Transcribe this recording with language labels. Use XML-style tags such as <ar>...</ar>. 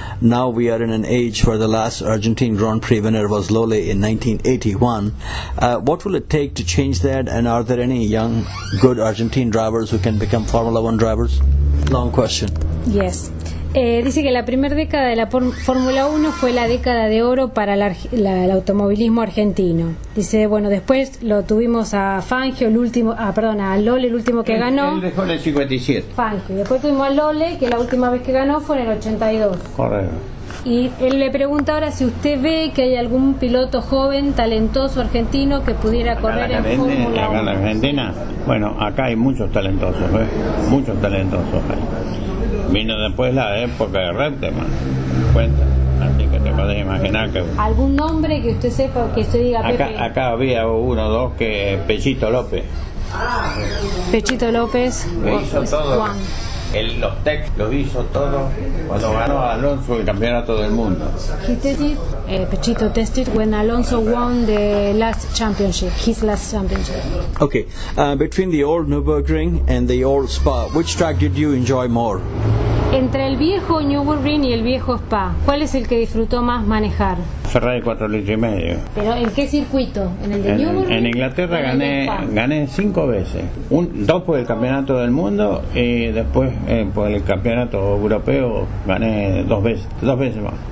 <en>Now we are in an age where the last Argentine Grand Prix winner was Lole in 1981. What will it take to change that, and are there any young, good Argentine drivers who can become Formula 1 drivers? Long question. Yes.</en> <es>Dice que la primera década de la Fórmula 1 fue la década de oro para el automovilismo argentino. Dice, bueno, después lo tuvimos a Fangio, a Lole, el último que ganó. Él dejó en el 57. Fangio. Después tuvimos a Lole, que la última vez que ganó fue en el 82. Correcto. Y él le pregunta ahora si usted ve que hay algún piloto joven, talentoso argentino que pudiera correr en Fórmula 1. Acá en Argentina, bueno, acá hay muchos talentosos, muchos talentosos. Vino después la época de Reutemann, cuenta, así que te podés imaginar que... ¿Algún nombre que usted sepa que usted diga acá, Pepe? Acá había uno o dos que... Pechito López. Pechito López. Lo hizo todo. Los Tex lo hizo todo cuando ganó a Alonso el campeonato del mundo.</es> <en>He tested, Pechito tested when Alonso won the last championship, his last championship. Okay, between the old Nürburgring and the old Spa, which track did you enjoy more?</en> <es>Entre el viejo Nürburgring y el viejo Spa, ¿cuál es el que disfrutó más manejar? Ferrari 4 litros y medio. ¿Pero en qué circuito? ¿En el de Nürburgring? En Inglaterra gané 5 veces. Dos por el campeonato del mundo y después por el campeonato europeo gané 2 veces más.</es>